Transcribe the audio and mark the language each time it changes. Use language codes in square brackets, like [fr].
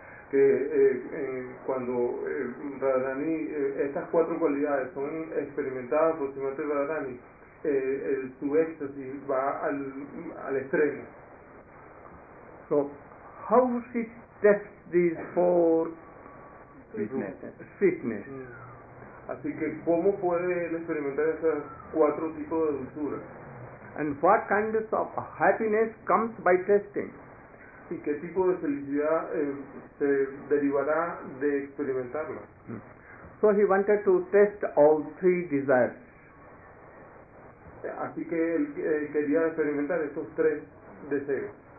[es] Que cuando Radharani, estas cuatro cualidades son experimentadas por Srimati Radharani, su éxtasis va al extremo. [en] So, how she tests these four sweetness. [es] Así que, ¿cómo puede él experimentar esos cuatro tipos de dulzura? [en] And what kind of happiness comes by testing? [es] ¿Y qué tipo de felicidad se derivará de experimentarlo? [en] So he wanted to test all three desires. [es] Así que él quería experimentar esos tres deseos.